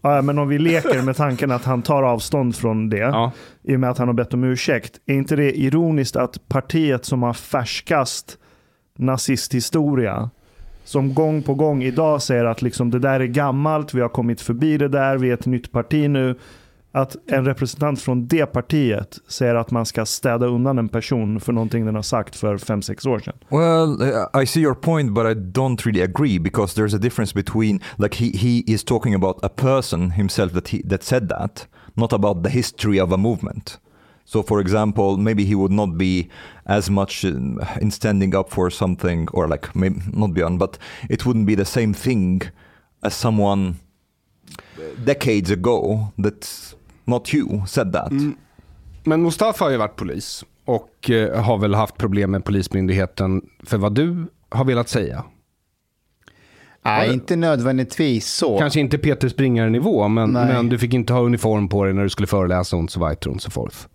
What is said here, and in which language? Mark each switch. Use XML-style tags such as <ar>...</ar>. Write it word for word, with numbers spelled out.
<sv>Ja, men om vi leker med tanken att han tar avstånd från det, ja, i och med att han har bett om ursäkt, är inte det ironiskt att partiet som har färskast nazisthistoria, som gång på gång idag säger att liksom, det där är gammalt, vi har kommit förbi det där, vi är ett nytt parti nu, att en representant från det partiet säger att man ska städa undan en person för någonting den har sagt för fem sex år sedan.</sv> <en>Well, I see your point, but I don't really agree, because there's a difference between, like, he, he is talking about a person himself that, he, that said that, not about the history of a movement. So, for example, maybe he would not be as much in, in standing up for something, or like, maybe not beyond, but it wouldn't be the same thing as someone decades ago that not you said that. Mm.</en> <sv>Men Mustafa har ju varit polis och eh, har väl haft problem med polismyndigheten för vad du har velat säga. Nej, inte nödvändigtvis så. Kanske inte Peter Springare-nivå, men, men du fick inte ha uniform på dig när du skulle föreläsa och så vidare och så forth.</sv>